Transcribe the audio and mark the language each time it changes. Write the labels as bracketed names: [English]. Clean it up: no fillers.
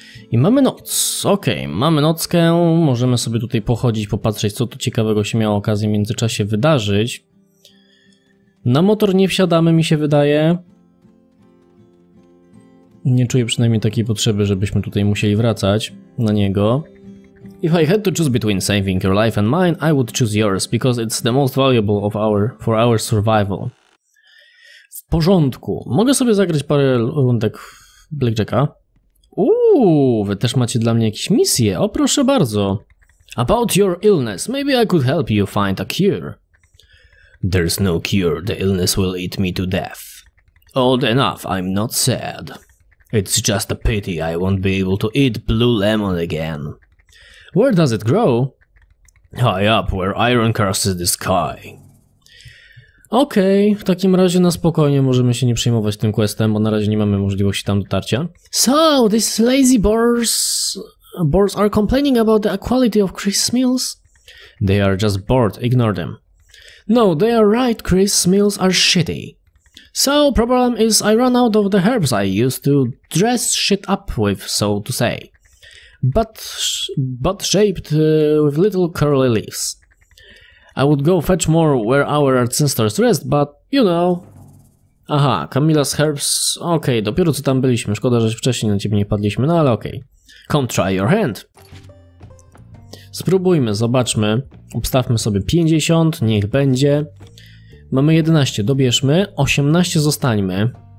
[Polish] I mamy noc, okej, mamy nockę, możemy sobie tutaj pochodzić, popatrzeć, co tu ciekawego się miało okazję w międzyczasie wydarzyć. Na motor nie wsiadamy, mi się wydaje. Nie czuję przynajmniej takiej potrzeby, żebyśmy tutaj musieli wracać na niego. [English] If I had to choose between saving your life and mine, I would choose yours, because it's the most valuable of our for our survival. [Polish] W porządku. Mogę sobie zagrać parę rundek Blackjacka? Uuu, wy też macie dla mnie jakieś misje? O, proszę bardzo. [English] About your illness, maybe I could help you find a cure. There's no cure, the illness will eat me to death. Old enough, I'm not sad. It's just a pity I won't be able to eat blue lemon again. Where does it grow? High up, where iron crosses the sky. [Polish] Okej, okay, w takim razie na spokojnie możemy się nie przejmować tym questem, bo na razie nie mamy możliwości tam dotarcia. [English] So, these lazy boars are complaining about the quality of Chris Mills. They are just bored, ignore them. No, they are right, Chris Mills are shitty. So, problem is I run out of the herbs I used to dress shit up with, so to say. But shaped with little curly leaves. I would go fetch more where our ancestors rest, but you know. Aha, Camilla's herbs. [Polish] Okej, okay, dopiero co tam byliśmy. Szkoda, że wcześniej na ciebie nie padliśmy, no ale okej. Okay. [English] Come try your hand. [Polish] Spróbujmy, zobaczmy. Obstawmy sobie 50, niech będzie. Mamy 11, dobierzmy. 18 zostańmy.